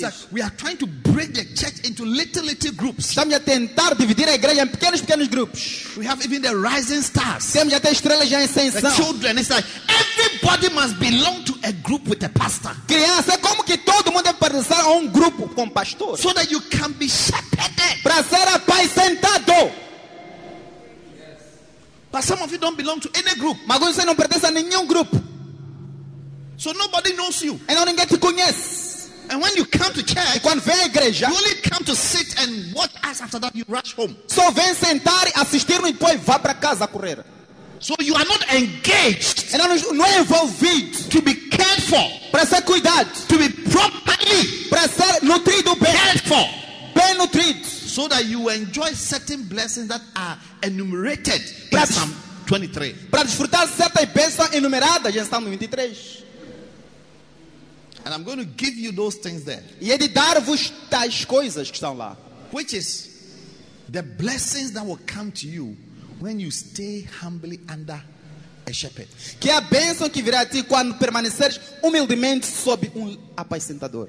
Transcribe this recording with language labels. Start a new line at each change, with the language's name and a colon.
English: It's like we are trying to break the church into little groups.
Portuguese: Estamos a tentar dividir a igreja em pequenos grupos.
English: We have even the rising stars.
Portuguese: Temos até estrelas de ascensão.
English: The children. It's like everybody must belong to a group with a pastor.
Portuguese: Crianças, é como que todo mundo deve pertencer a grupo com pastor.
English: So that you can be shepherded.
Portuguese: Para ser apacentado.
English: But some of you don't belong to any group.
Portuguese: Mas alguns não pertencem a nenhum grupo.
English: So nobody knows you.
Portuguese: Então ninguém te conhece.
English: And when you come to church,
Portuguese: e quando vem à igreja,
English: you only come to sit and watch us. After that, you rush home.
Portuguese: Só vem sentar e assistir e depois vá para casa a correr.
English: So you are not engaged.
Portuguese: Então não é envolvido.
English: To be cared for.
Portuguese: Para ser cuidado.
English: To be properly.
Portuguese: Para ser nutrido bem.
English: Cared for.
Portuguese: Bem nutrido.
English: So that you enjoy certain blessings that are enumerated in Psalm 23.
Portuguese: Para desfrutar certas bênçãos enumeradas em Salmo 23.
English: And I'm going to give you those things there.
Portuguese: E é de dar-vos tais coisas que estão lá.
English: Which is the blessings that will come to you when you stay humbly under a shepherd.
Portuguese: Que é a bênção que virá a ti quando permaneceres humildemente sob apacentador.